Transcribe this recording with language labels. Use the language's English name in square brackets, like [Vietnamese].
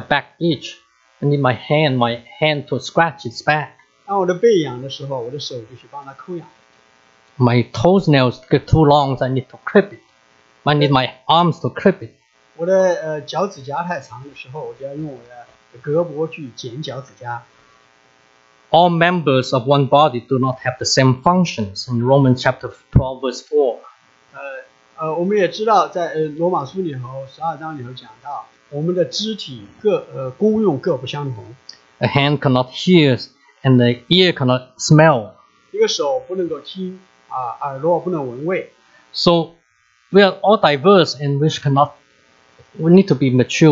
[English] back itch, I need my hand to scratch its back. [Chinese] 当我的背痒的时候，我的手就去帮它抠痒。My [English] toenails get too long, I need to clip it. I need my arms to clip it. [Chinese] 我的脚趾甲太长的时候，我就要用我的胳膊去剪脚趾甲。 [English] All members of one body do not have the same functions in Romans chapter 12 verse 4. [Chinese] 我们也知道在罗马书里头十二章里头讲到，我们的肢体各功用各不相同。A [English] hand cannot hear and the ear cannot smell. [Chinese] 一个手不能够听，耳朵不能闻味。So [English] we are all diverse and we need to be mature.